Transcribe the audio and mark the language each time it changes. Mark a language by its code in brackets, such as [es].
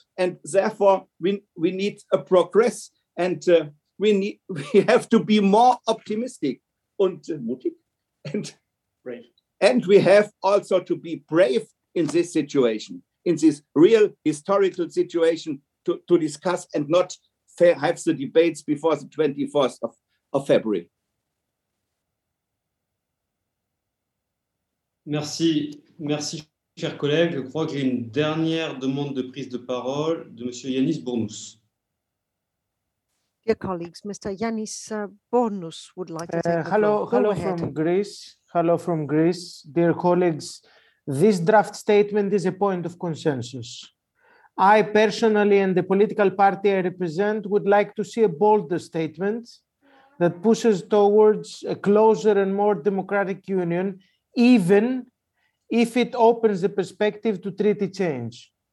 [en] And therefore, we need a progress. And we have to be more optimistic and mutig. And we have also to be brave in this situation, in this real historical situation to discuss and not have the debates before the 21st of February. [fr] Merci. Merci, chers collègues. Je crois que j'ai une dernière demande de prise de parole de Monsieur Yanis Bournous. [en] Dear colleagues, Mr. Yanis Bournous would like to take the floor. Hello from Greece. Hello from Greece. Dear colleagues, this draft statement is a point of consensus. I personally and the political party I represent would like to see a bolder statement that pushes towards a closer and more democratic union, even if it opens the perspective to treaty change.